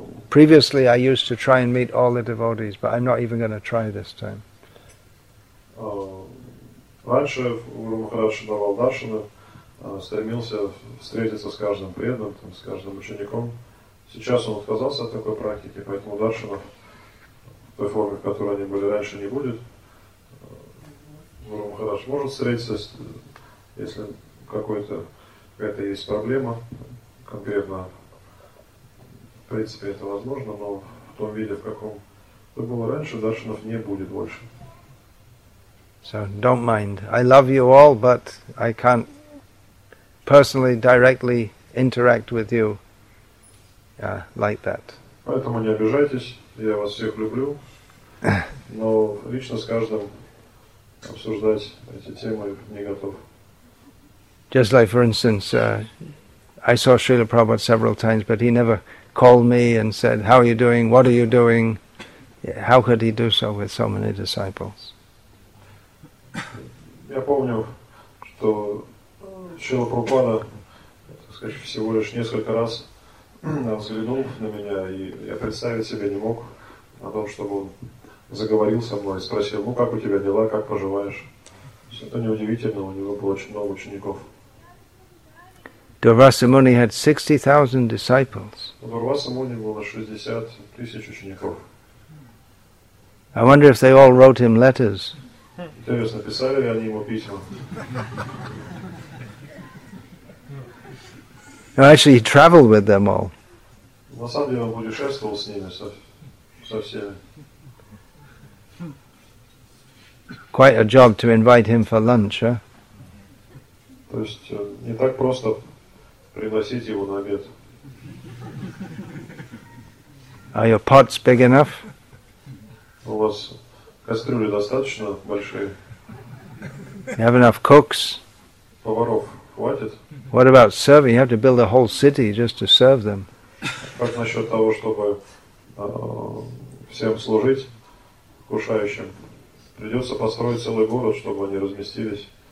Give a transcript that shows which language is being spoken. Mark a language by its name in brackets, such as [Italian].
[English] Previously I used to try and meet all the devotees, but I'm not even going to try this time. [Russian] Раньше Гуру Махарадж давал даршаны, стремился встретиться с каждым преданным, там, с каждым учеником. Сейчас он отказался от такой практики, поэтому даршанов в той форме, в которой они были раньше, не будет. Гуру Махарадж может встретиться, если какая-то есть проблема, конкретно в принципе это возможно, но в том виде, в каком это было раньше, даршанов не будет больше. [English] So don't mind. I love you all, but I can't personally directly interact with you like that. [Russian] Поэтому не обижайтесь, я вас всех люблю, но лично с каждым обсуждать эти темы не готов. [English] Just like, for instance, I saw Srila Prabhupada several times, but he never called me and said, how are you doing? What are you doing? How could he do so with so many disciples? [Russian] Я помню, что Шрила Прабхупада, так сказать, всего лишь несколько раз взглянул на меня, и я представить себе не мог о том, чтобы он заговорил со мной и спросил, ну как у тебя дела, как поживаешь? Это неудивительно, у него было очень много учеников. [English] Durvasa Muni had 60,000 disciples. [Russian] У Дурвасы Муни было 60 тысяч учеников. [English] I wonder if they all wrote him letters. [Russian] Интересно, писали ли они ему письма? [English] No, actually, he traveled with them all. [Russian] На самом деле, он путешествовал с ними, со всеми. [English] Quite a job to invite him for lunch, huh? [Russian] То есть, не так просто пригласить его на обед. [English] Are your pots big enough? [Russian] У вас кастрюли достаточно большие? [English] You have enough cooks? [Russian] Поваров хватит? [English] What about serving? You have to build a whole city just to serve them. [Russian] Как насчет того, чтобы всем служить, кушающим? Придется построить целый город, чтобы они разместились.